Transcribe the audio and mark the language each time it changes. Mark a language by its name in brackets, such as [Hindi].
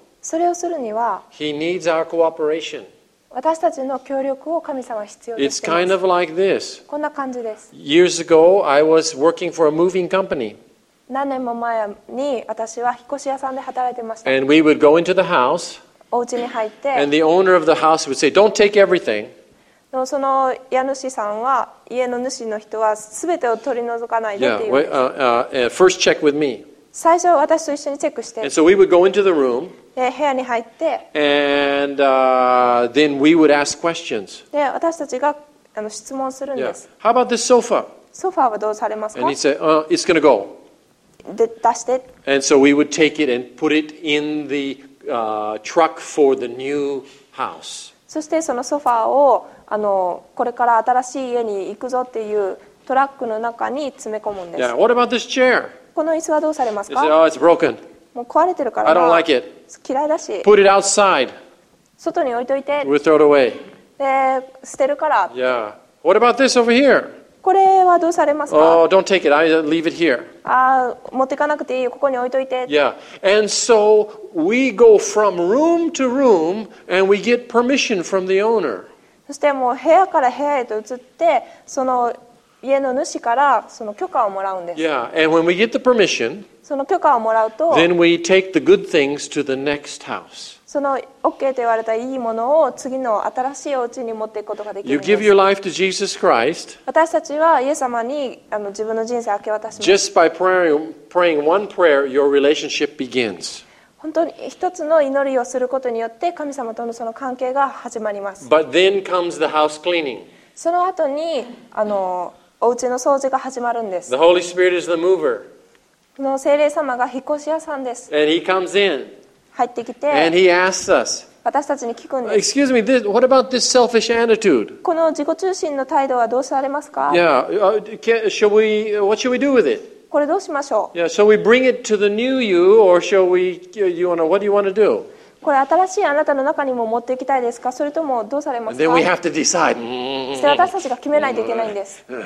[Japanese] それをするには、 [English] He needs our cooperation. [Japanese] 私たちの協力を神様は必要としています [English] 。 It's kind of like this. [Japanese] こんな感じです。 [English] Years ago, I was working for a moving company. [Japanese] 何年も前に私は引っ越し屋さんで働いてました。 [English] And we would go into the house. [Japanese] お家に入って、 [English] and the owner of the house would say, "Don't take everything." [Japanese] その家主さんは家の主の人はすべてを取り除かないでって言うんです。 [English] Yeah, first check with me. [Japanese] 最初私と一緒にチェックして。 [English] And so we would go into the room. [Japanese] 部屋に入って。 [English] And then we would ask questions. [Japanese] で私たちが質問するんです。 [English] Yeah. How about this sofa? [Japanese] ソファーはどうされますか? [English] And he'd say, it's gonna go. [Japanese] で出して。 [English] And so we would take it and put it in the truck for the new house. [Japanese] そしてそのソファーをこれから新しい家に行くぞっていうトラックの中に詰め込むんです。 [English] Yeah, what about this chair? [Japanese] この椅子はどうされますか? [English] Is it, oh, it's broken. [Japanese] もう壊れてるから。 [English] I don't like it. [Japanese] 嫌いだし。 [English] Put it outside. [Japanese] 外に置いといて。 [English] We'll throw it away. [Japanese] で、捨てるから。 [English] Yeah. What about this over here? [Japanese] これはどうされますか? [English] Oh, don't take it. I leave it here. [Japanese] あ、持ってかなくていいよ。ここに置いといて。 [English] Yeah. And so... We go from room to room and we get permission from the owner. [Japanese] そしてもう部屋から部屋へと移ってその家の主からその許可をもらうんです。 [English] Yeah, and when we get the permission, [Japanese] その許可をもらうと、 [English] then we take the good things to the next house. [Japanese] その OK と言われたいいものを次の新しいお家に持っていくことができるんです。 [English] You give your life to Jesus Christ. [Japanese] 私たちはイエス様に自分の人生を明け渡します。 [English] Just by praying one prayer, your relationship begins. [Japanese] 本当に一つの祈りをすることによって神様とのその関係が始まります。 [English] But then comes the house cleaning. [Japanese] その後にお家の掃除が始まるんです。 [English] The Holy Spirit is the mover. [Japanese] この聖霊様が引っ越し屋さんです。 [English] And he comes in. [Japanese] 入ってきて。 [English] And he asks us. [Japanese] 私たちに聞くんです。 [English] Excuse me, what about this selfish attitude? [Japanese] この自己中心の態度はどうされますか? [English] Yeah, what should we do with it? [Japanese] これどうしましょう? [English] Yeah, so we bring it to the new you, or shall we, you wanna, what do you want to do? [Japanese] これ新しいあなたの中にも持っていきたいですか?それともどうされますか? [English] Then we have to decide. [Japanese] そして私たちが決めないといけないんです。